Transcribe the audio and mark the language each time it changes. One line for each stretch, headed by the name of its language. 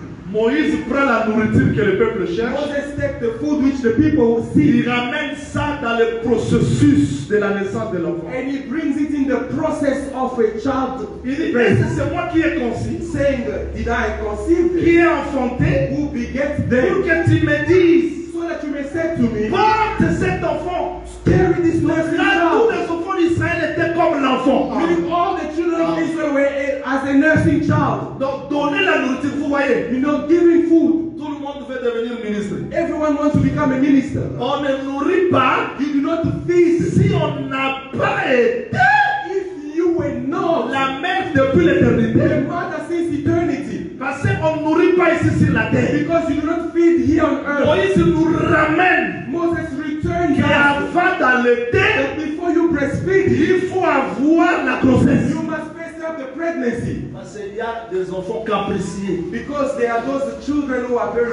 French: Moïse prend la nourriture que le peuple cherche.
English: Moses takes the food which the people seek.
French: Il ramène ça dans le processus de la naissance de l'enfant.
English: And he brings it in the process of a child.
French: Il dit, c'est moi qui ai conçu.
English: Saying, did I conceive?
French: Qui est enfanté?
English: Who begets them?
French: Pour que tu me dises.
English: So that you may say to me.
French: Porte cet enfant.
English: Carry this nursing child.
French: Là, tous les enfants d'Israël étaient comme l'enfant.
English: Meaning all the children of Israel were as a nursing child.
French: Donc, donnez la nourriture, vous voyez.
English: You know, giving food.
French: Tout le monde veut devenir ministre.
English: Everyone wants to become a minister.
French: On ne nourrit pas.
English: You do not feed.
French: Si on n'a pas été.
English: If you were
French: depuis l'éternité.
English: The matter since eternity.
French: Parce qu'on ne nourrit pas ici sur la terre.
English: Because you do not feed here on earth.
French: Moïse nous ramène.
English: Moses returns.
French: Et avant d'allaiter,
English: that before you breastfeed,
French: il faut avoir la grossesse.
English: You must first have the pregnancy.
French: Parce qu'il y a des enfants capricieux.
English: Because there are those children who are very